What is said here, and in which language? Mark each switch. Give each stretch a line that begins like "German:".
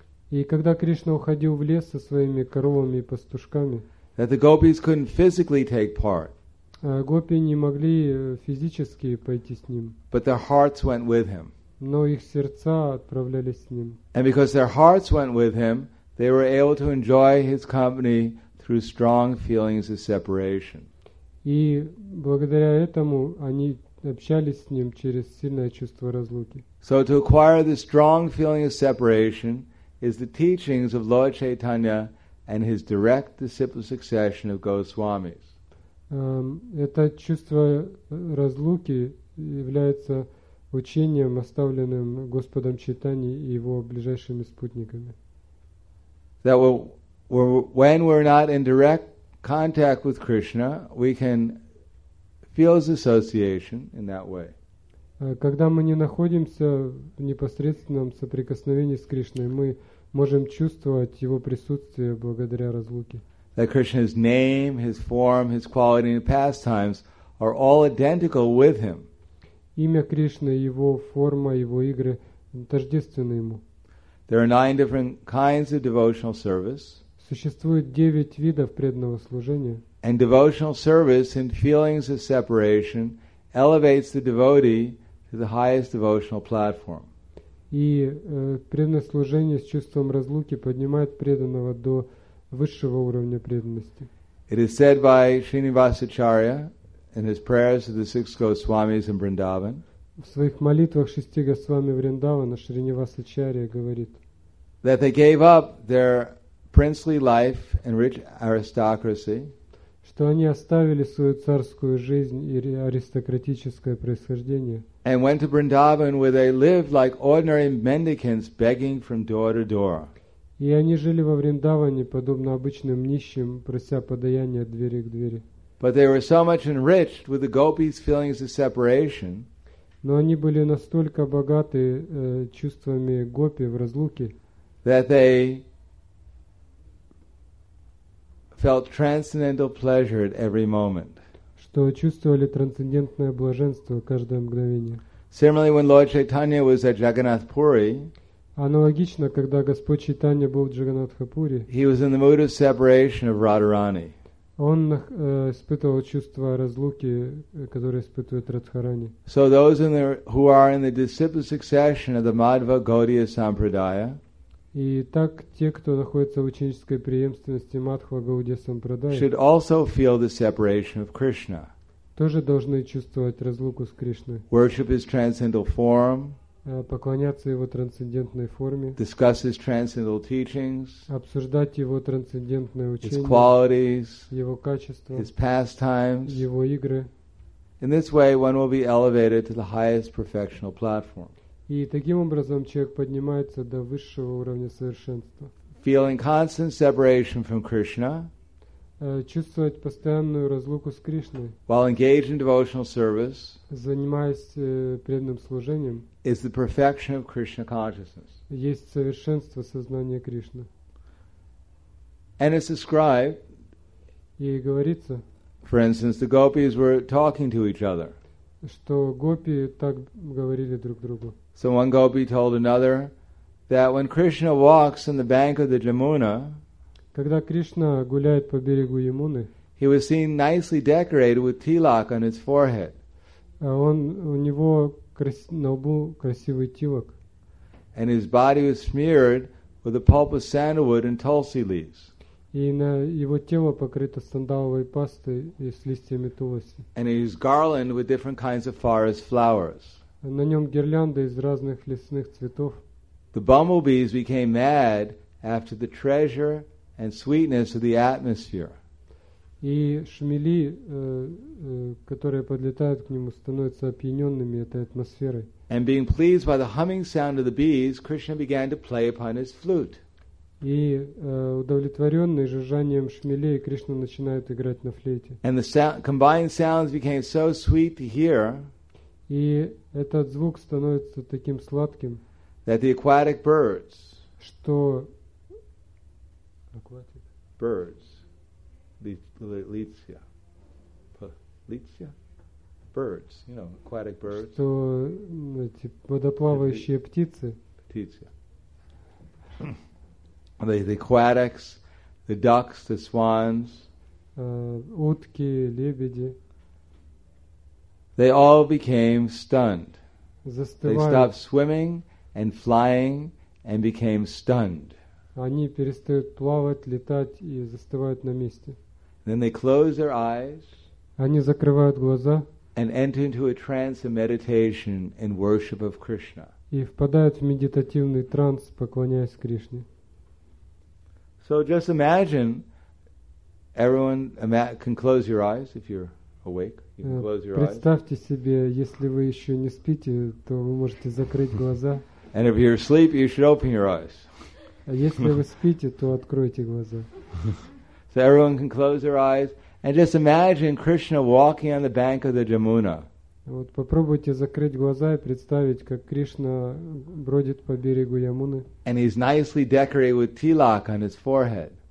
Russian: и когда Кришна уходил в лес со своими коровами и пастушками,
English: that the gopis couldn't physically take part,
Russian: гопи не могли физически пойти с ним,
English: but their hearts went with him.
Russian: Но их сердца отправлялись с ним.
English: And because their hearts went with him, they were able to enjoy his company through strong feelings of separation.
Russian: И благодаря этому они общались с ним через сильное чувство разлуки.
English: So to acquire the strong feeling of separation is the teachings of Lord Chaitanya and his direct disciple succession of Goswamis.
Russian: Это чувство разлуки является учением, оставленным Господом Чайтаньей и его ближайшими спутниками.
English: That when we're not in direct contact with Krishna, we can feel his association in that way.
Russian: Когда мы не находимся в непосредственном соприкосновении с Кришной, мы можем чувствовать его присутствие благодаря разлуке.
English: That Krishna's name, his form, his quality and pastimes are all identical with him.
Russian: Имя Кришны, его форма, его игры тождественны ему.
English: There are 9 different kinds of devotional service.
Russian: Существует 9 видов преданного служения.
English: And devotional service in feelings of separation elevates the devotee to the highest devotional platform.
Russian: И преданное служение с чувством разлуки поднимает преданного до высшего уровня преданности.
English: It is said by Srinivasacharya in his prayers to the six Goswamis in Vrindavan.
Russian: В своих молитвах шести Госвами Вриндавана Шринивасачарья говорит,
English: that they gave up their princely life and rich aristocracy,
Russian: что они оставили свою царскую жизнь и аристократическое происхождение,
English: and went to Vrindavan where they lived like ordinary mendicants begging from door to door.
Russian: И они жили во Вриндаване подобно обычным нищим, прося подаяние от двери к двери.
English: But they were so much enriched with the gopis' feelings of separation.
Russian: Но они были настолько богаты чувствами гопи в разлуке,
English: that they felt transcendental pleasure at every moment.
Russian: Что чувствовали трансцендентное блаженство каждое мгновение.
English: Similarly, when Lord Chaitanya was at Jagannath Puri,
Russian: аналогично, когда Господь Чайтанья был в Джаганатхапуре,
English: he was in the mood of separation of Radharani.
Russian: Он испытывал чувство разлуки, которое испытывает Радхарани.
English: So those in the, who are in the disciple succession of the Madhva Gaudiya Sampradaya,
Russian: и так те, кто находится в ученической преемственности Мадхва Гаудия Сампрадая,
English: should also feel the separation of Krishna.
Russian: Тоже должны чувствовать разлуку с Кришной.
English: Worship his transcendental form.
Russian: Поклоняться его трансцендентной форме.
English: Discuss his transcendental teachings.
Russian: Обсуждать его трансцендентное учение.
English: His qualities.
Russian: Его качества.
English: His pastimes.
Russian: Его игры.
English: In this way, one will be elevated to the highest perfectional platform.
Russian: И таким образом человек поднимается до высшего уровня совершенства.
English: Feeling constant separation from Krishna.
Russian: Чувствовать постоянную разлуку с Кришной.
English: While engaged in devotional service.
Russian: Занимаясь преданным служением.
English: Is the perfection of Krishna consciousness.
Russian: Есть совершенство сознания Кришны.
English: And it's described.
Russian: И говорится.
English: For instance, the gopis were talking to each other.
Russian: Что гопи так говорили друг другу.
English: So one gopi told another that when Krishna walks on the bank of the Yamuna,
Russian: когда Кришна гуляет по берегу Ямуны,
English: he was seen nicely decorated with tilak on his forehead.
Russian: Он, у него на лбу красивый тилак.
English: And his body was smeared with the pulp of sandalwood and tulsi leaves.
Russian: И на его тело покрыто сандаловой пастой и с листьями туласи.
English: And his garland with different kinds of forest flowers.
Russian: На нем гирлянда из разных лесных цветов.
English: The bumblebees became mad after the treasure and sweetness of the atmosphere.
Russian: И шмели, которые подлетают к нему, становятся опьяненными этой атмосферой.
English: And being pleased by the humming sound of the bees, Krishna began to play upon his flute.
Russian: И удовлетворенный жужжанием шмелей, Кришна начинает играть на флейте.
English: And the combined sounds became so sweet to hear.
Russian: И этот звук становится таким сладким,
English: that the aquatic birds,
Russian: что
English: birds, Litsya, Litsya, birds, you know, aquatic birds.
Russian: Что эти водоплавающие птицы? Птицы.
English: The aquatics, the ducks, the swans.
Russian: Утки, лебеди.
English: They all became stunned.
Russian: Застывают.
English: They stopped swimming and flying and became stunned.
Russian: Они перестают плавать, летать и застывают на месте.
English: Then they close their eyes.
Russian: Они закрывают глаза.
English: And enter into a trance of meditation in worship of Krishna.
Russian: И впадают в медитативный транс, поклоняясь Кришне.
English: So just imagine, everyone can close your eyes if you're awake. You can close your
Russian: представьте
English: eyes.
Russian: Себе, если вы еще не спите, то вы можете закрыть глаза.
English: And if you're asleep, you should open your eyes.
Russian: Если вы спите, то откройте глаза.
English: So everyone can close their eyes and just imagine Krishna walking on the bank of the Yamuna.
Russian: Вот попробуйте закрыть глаза и представить, как Кришна бродит по берегу Ямуны.
English: And he's nicely decorated with tilak on his forehead.